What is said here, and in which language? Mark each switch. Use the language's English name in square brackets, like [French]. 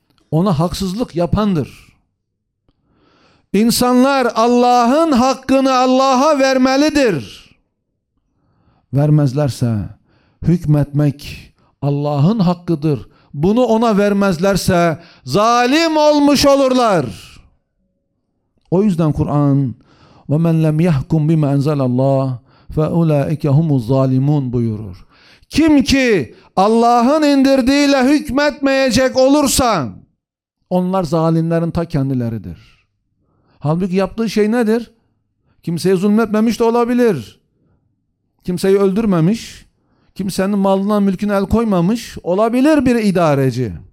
[Turkish] Ona haksızlık yapandır. İnsanlar Allah'ın hakkını Allah'a vermelidir. Vermezlerse hükmetmek Allah'ın hakkıdır. Bunu ona vermezlerse zalim olmuş olurlar. O yüzden Kur'an [Arabic] وَمَنْ لَمْ يَحْكُمْ بِمَا اَنْزَلَ اللّٰهِ فَاُولَٰئِكَ هُمُ الظَّالِمُونَ [Turkish] buyurur. Kim ki Allah'ın indirdiğiyle hükmetmeyecek olursa onlar zalimlerin ta kendileridir. Halbuki yaptığı şey nedir? Kimseye zulmetmemiş de olabilir. Kimseyi öldürmemiş, kimsenin malına mülküne el koymamış olabilir bir idareci.